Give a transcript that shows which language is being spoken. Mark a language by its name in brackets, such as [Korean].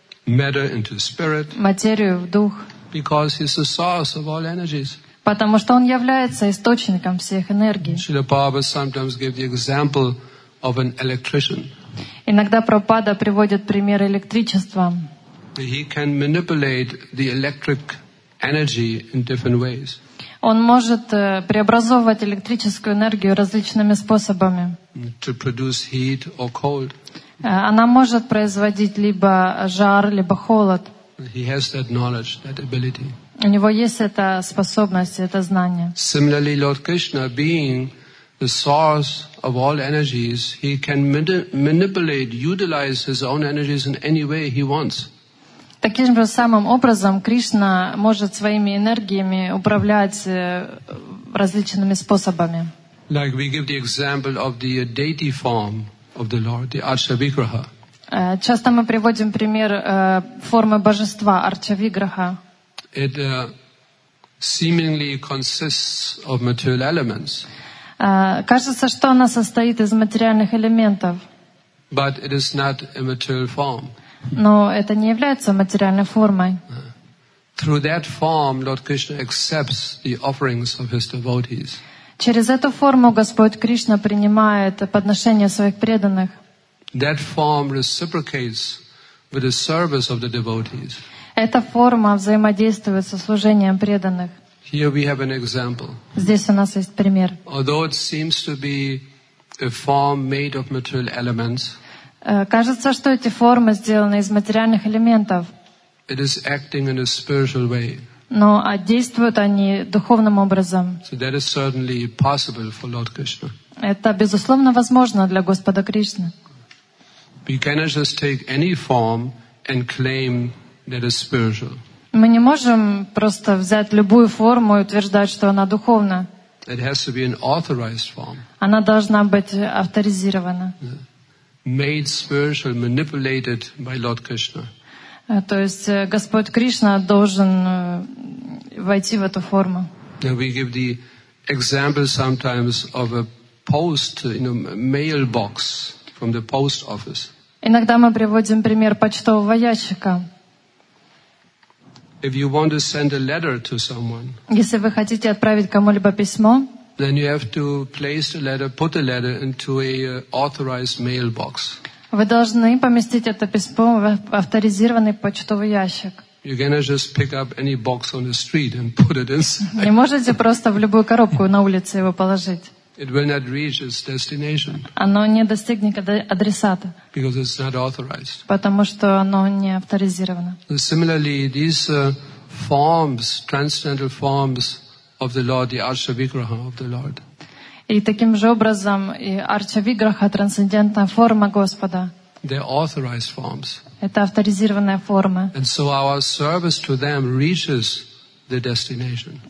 [English] Matter into spirit. [Russian] Материю в дух. [English] Because he's the source of all energies. [Russian] Потому что он является источником всех энергий. [English] Шрила Прабхупада sometimes gives the example of an electrician. [Russian] Иногда Прабхупада приводит пример электричества. [English] He can manipulate the electric energy in different ways. [Russian] Он может преобразовывать электрическую энергию различными способами. [English] To produce heat or cold. [Russian] Она может производить либо жар, либо холод. [English] He has that knowledge, that ability. [Russian] У него есть эта способность, это знание. [English] Similarly, Lord Krishna, being the source of all energies, he can manipulate, utilize his own energies in any way he wants. [Russian] Таким же самым образом Кришна может своими энергиями управлять различными способами. [English] Like we give the example of the deity form of the Lord, the Archavigraha. [Russian] Часто мы приводим пример формы божества Арчавиграха. [English] It seemingly consists of material elements. [Russian] Кажется, что она состоит из материальных элементов. [English] But it is not a material form. [Russian] Но это не является материальной формой. [English] Through that form, Lord Krishna accepts the offerings of his devotees. [Russian] Через эту форму Господь Кришна принимает подношения своих преданных. [English] That form reciprocates with the service of the devotees. [Russian] Эта форма взаимодействует со служением преданных. [English] Here we have an example. [Russian] Здесь у нас есть пример. [English] Although it seems to be a form made of material elements. [Russian] Кажется, что эти формы сделаны из материальных элементов. [English] It is acting in a spiritual way. [Russian] Но действуют они духовным образом. [English] So that is certainly possible for Lord Krishna. [Russian] Это безусловно возможно для Господа Кришны. [English] We cannot just take any form and claim that it's spiritual. [Russian] Мы не можем просто взять любую форму и утверждать, что она духовна. [English] It has to be an authorized form. [Russian] Она должна быть авторизирована. [English] Yeah. Made spiritual, manipulated by Lord Krishna. [Russian] То есть Господь Кришна должен войти в эту форму. [English] Now we give the example sometimes of a post, you know, mailbox from the post office. [Russian] Иногда мы приводим пример почтового ящика. [English] If you want to send a letter to someone. [Russian] Если вы хотите отправить кому-либо письмо. [English] Then you have to place the letter, put the letter into a authorized mailbox. [Russian] Вы должны поместить это письмо в авторизированный почтовый ящик. [English] You cannot just pick up any box on the street and put it inside. [Russian] Не можете просто в любую коробку на улице его положить. [English] It will not reach its destination. [Russian] Оно не достигнет адресата. [English] Because it's not authorized. [Russian] Потому что оно не авторизировано. [English] Similarly, these forms, transcendental forms. Of the Lord, the Archavigraha of the Lord. [Russian] И таким же образом и Арчавиграха, трансцендентная форма Господа. [English] They're authorized forms. [Russian] Это авторизированная форма. [English] And so our service to them reaches the destination.